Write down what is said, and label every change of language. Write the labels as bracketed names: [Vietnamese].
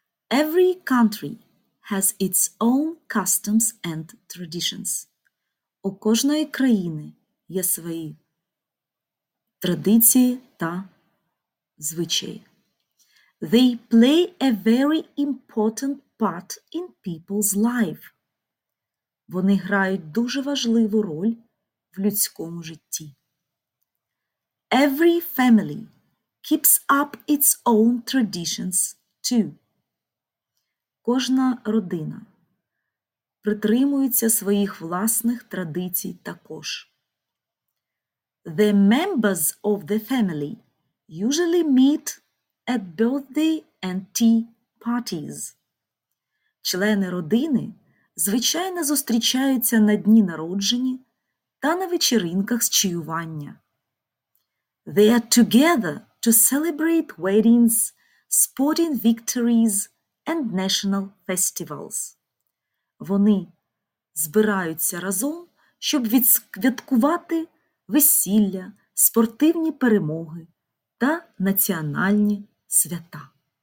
[English] Every country has its own customs and traditions. [Ukrainian] У кожної країни є свої традиції та звичаї. [English] They play a very important part in people's life. [Ukrainian] Вони грають дуже важливу роль в людському житті. [English] Every family keeps up its own traditions too. [Ukrainian] Кожна родина притримується своїх власних традицій також. [English] The members of the family usually meet at birthday and tea parties. [Ukrainian] Члени родини звичайно зустрічаються на дні народження та на вечеринках з чаювання. [English] They are together to celebrate weddings, sporting victories and national festivals. [Ukrainian] Вони збираються разом, щоб відсвяткувати весілля, спортивні перемоги та національні свята.